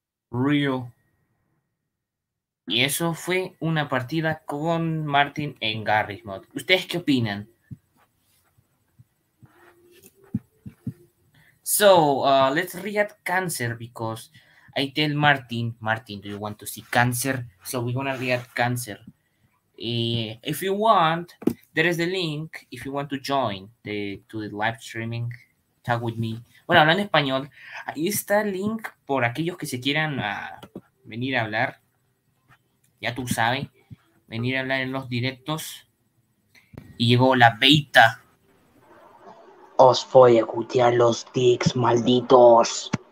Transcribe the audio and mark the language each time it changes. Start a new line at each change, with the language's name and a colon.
Spanish: Real. Y eso fue una partida con Martin en Garry's Mod. ¿Ustedes qué opinan?
English: So, let's react cancer because I tell Martin, do you want to see cancer? So, we're gonna react cancer. If you want, there is the link if you want to join to the live streaming. Talk with me.
Spanish: Bueno, hablando español, ahí está el link por aquellos que se quieran venir a hablar. Ya tú sabes, venir a hablar en los directos. Y llegó la beta. Os voy a cutear los dicks, malditos.